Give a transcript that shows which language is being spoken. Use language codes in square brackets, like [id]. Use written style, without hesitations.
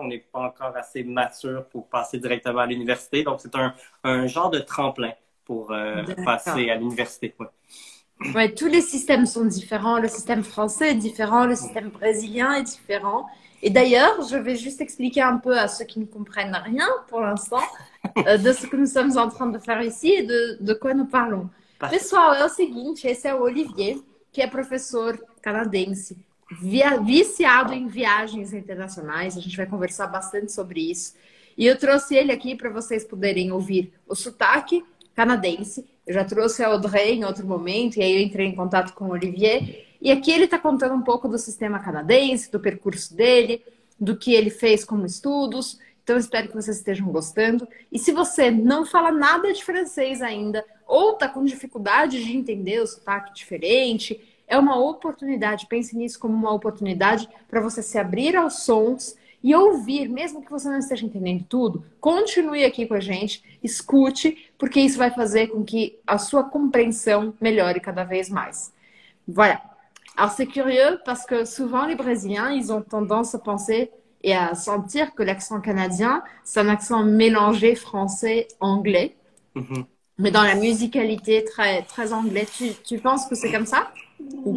[fr] On n'est pas encore assez mature pour passer directement à l'université. Donc, c'est un genre de tremplin pour passer à l'université. Ouais. Ouais, tous les systèmes sont différents. Le système français est différent, le système brésilien est différent. Et d'ailleurs, je vais juste expliquer un peu à ceux qui ne comprennent rien pour l'instant de ce que nous sommes en train de faire ici et de quoi nous parlons. [pt] Pessoal, é o seguinte, esse é o Olivier, que é professor canadense, viciado em viagens internacionais. A gente vai conversar bastante sobre isso. E eu trouxe ele aqui para vocês poderem ouvir o sotaque canadense. Eu já trouxe a Audrey em outro momento, e aí eu entrei em contato com o Olivier. E aqui ele está contando um pouco do sistema canadense, do percurso dele, do que ele fez como estudos. Então, espero que vocês estejam gostando. E se você não fala nada de francês ainda, ou está com dificuldade de entender o sotaque diferente, é uma oportunidade. Pense nisso como uma oportunidade para você se abrir aos sons e ouvir, mesmo que você não esteja entendendo tudo. Continue aqui com a gente, escute, porque isso vai fazer com que a sua compreensão melhore cada vez mais. [fr] Voilà. Alors, c'est curieux parce que souvent les Brésiliens, ils ont tendance à penser et à sentir que l'accent canadien, c'est un accent mélangé français-anglais, mais dans la musicalité très, très anglais. Tu penses que c'est comme ça ou